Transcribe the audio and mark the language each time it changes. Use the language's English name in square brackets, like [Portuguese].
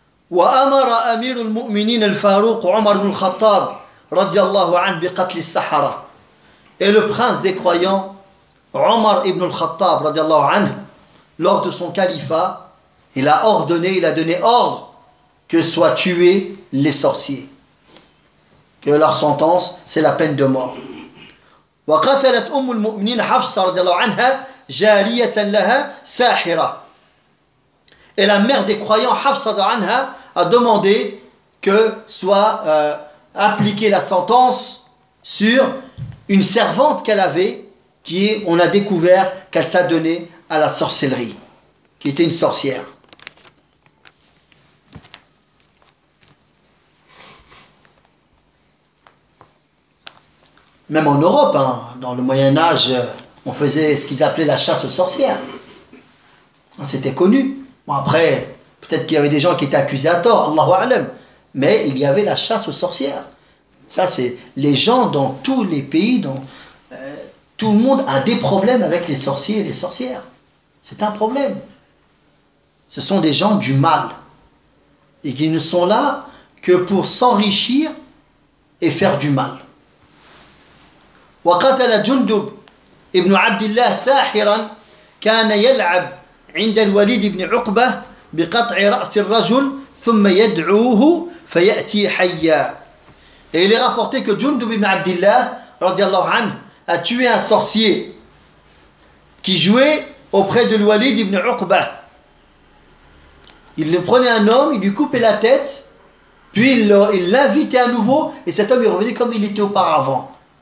[Arabic] وأمر أمير المؤمنين الفاروق عمر بن الخطاب رضي الله عنه بقتل السحرة. [French] Et le prince des croyants, Omar ibn al-Khattab, [Arabic] رضي الله عنه, [French] lors de son califat, il a ordonné, il a donné ordre que soient tués les sorciers. Que leur sentence, c'est la peine de mort. [Arabic] وقتلت أم المؤمنين حفصة رضي الله عنها جارية لها ساحرة. [French] Et la mère des croyants, Hafsa anha, a demandé que soit appliquée la sentence sur une servante qu'elle avait, qui on a découvert qu'elle s'adonnait à la sorcellerie, qui était une sorcière. Même en Europe, hein, dans le Moyen-Âge, on faisait ce qu'ils appelaient la chasse aux sorcières. C'était connu. Bon, après, peut-être qu'il y avait des gens qui étaient accusés à tort, [Arabic] Allahu a'lam. [French] Mais il y avait la chasse aux sorcières. Ça, c'est les gens dans tous les pays, tout le monde a des problèmes avec les sorciers et les sorcières. C'est un problème. Ce sont des gens du mal. Et qui ne sont là que pour s'enrichir et faire du mal. [Arabic] Wa qatala Jundub ibn Abdillah sahiran kana yal'ab عند الوليد بن عقبة بقطع رأس الرجل ثم يدعوه فيأتي حيا. [French] Et il est rapporté que Jundub ibn Abdillah [Arabic] radiallahu anhu [French] a tué un sorcier qui jouait auprès de l'Walid ibn Uqba. Il le prenait un homme, il lui coupait la tête, puis il l'invitait à nouveau et cet homme est revenu comme il était auparavant.